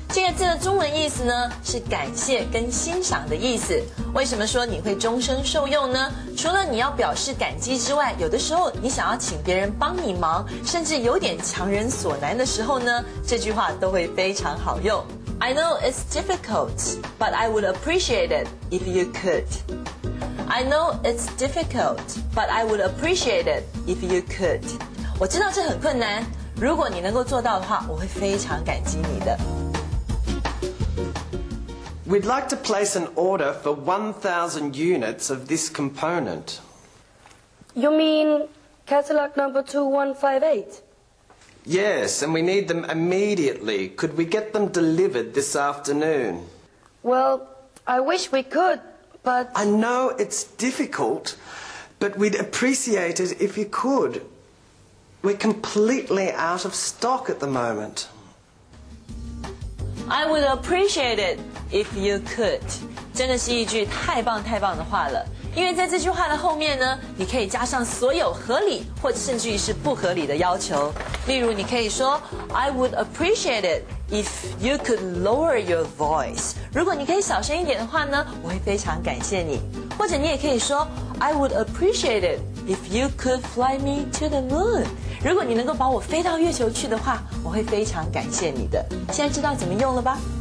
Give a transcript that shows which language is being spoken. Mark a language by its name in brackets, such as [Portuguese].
[Chinese] 这个字的中文意思呢是感谢跟欣赏的意思。为什么说你会终身受用呢？除了你要表示感激之外，有的时候你想要请别人帮你忙，甚至有点强人所难的时候呢，这句话都会非常好用。 [English] I know it's difficult, but I would appreciate it if you could. I know it's difficult, but I would appreciate it if you could. [Chinese] 我知道这很困难，如果你能够做到的话，我会非常感激你的。 [English] We'd like to place an order for 1,000 units of this component. You mean catalog number 2158? Yes, and we need them immediately. Could we get them delivered this afternoon? Well, I wish we could, but... I know it's difficult, but we'd appreciate it if you could. We're completely out of stock at the moment. I would appreciate it if you could. [Chinese] 真的是一句太棒太棒的话了。因为在这句话的后面呢，你可以加上所有合理或者甚至于是不合理的要求。例如你可以说 [English] I would appreciate it if you could lower your voice. [Chinese] 如果你可以小声一点的话呢，我会非常感谢你。或者你也可以说 [English] I would appreciate it if you could fly me to the moon. [Chinese] 如果你能够把我飞到月球去的话，我会非常感谢你的。现在知道怎么用了吧？